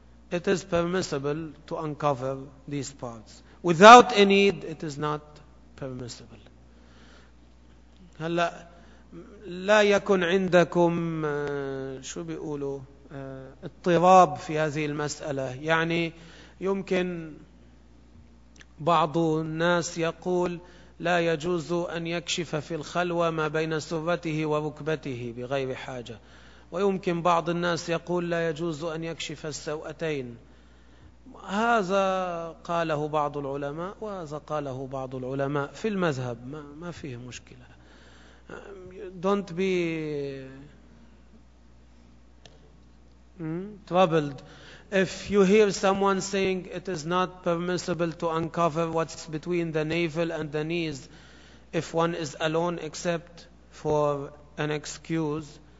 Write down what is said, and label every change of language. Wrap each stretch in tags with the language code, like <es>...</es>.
<en>It is permissible to uncover these parts. Without a need, it is not permissible.</en> <ar>هلا لا يكن عندكم شو بيقولوا اضطراب في هذه المسألة. يعني يمكن بعض الناس يقول لا يجوز أن يكشف في الخلوة ما بين سرته وركبته بغير حاجة. ويمكن بعض الناس يقول لا يجوز أن يكشف السوءتين. هذا قاله بعض العلماء وهذا قاله بعض العلماء في المذهب, ما فيه مشكلة.</ar> <en>Don't be troubled if you hear someone saying it is not permissible to uncover what's between the navel and the knees if one is alone except for an excuse.</en>